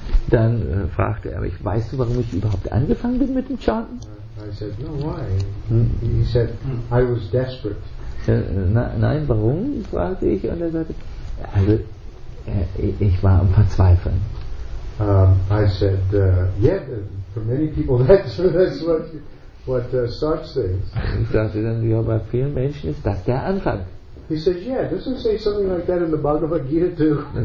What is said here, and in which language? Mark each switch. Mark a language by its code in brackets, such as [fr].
[de] Dann fragte er mich, weißt du, warum ich überhaupt angefangen bin mit dem Chanten? [en] I said, no, why? He said, I was desperate. [de] Nein, warum? Fragte ich, und er sagte, also ich war am Verzweifeln. [en] I said, for many people that's what starts things. [de] Ich sagte dann, ja, bei vielen Menschen ist das der Anfang. [en] He says, yeah, doesn't say something like that in the Bhagavad Gita too.